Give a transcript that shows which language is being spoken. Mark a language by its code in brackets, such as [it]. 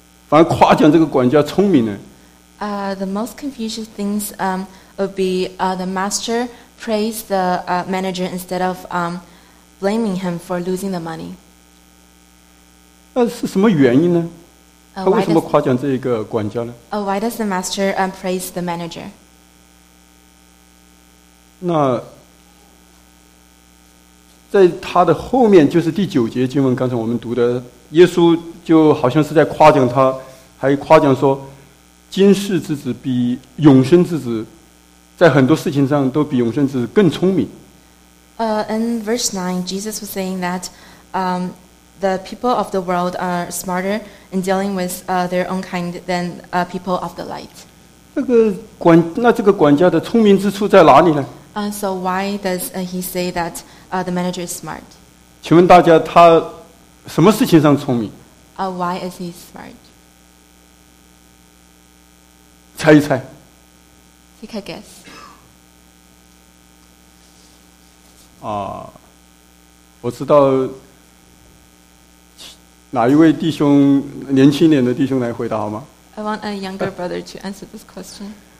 [zh] 反而夸奖这个管家聪明呢。 [en] The most confusing things would be the master praised the manager instead of blaming him for losing the money. [zh] 那是什么原因呢？他为什么夸奖这个管家呢？ [en] Why does the master praise the manager? [zh] 那在他的后面就是第九节经文，刚才我们读的，耶稣就好像是在夸奖他，还夸奖说今世之子比永生之子在很多事情上都比永生之子更聪明。 [en] In verse 9, Jesus was saying that the people of the world are smarter in dealing with their own kind than people of the light. [zh] 那这个管家的聪明之处在哪里呢？ [en] So why does he say that the manager is smart? [zh] 请问大家他什么事情上聪明？ [en] Why is he smart? [zh] 猜一猜。 [en] Take a guess. [zh] 我知道哪一位弟兄，年轻点的弟兄来回答好吗？ [en] I want a younger brother to answer this question.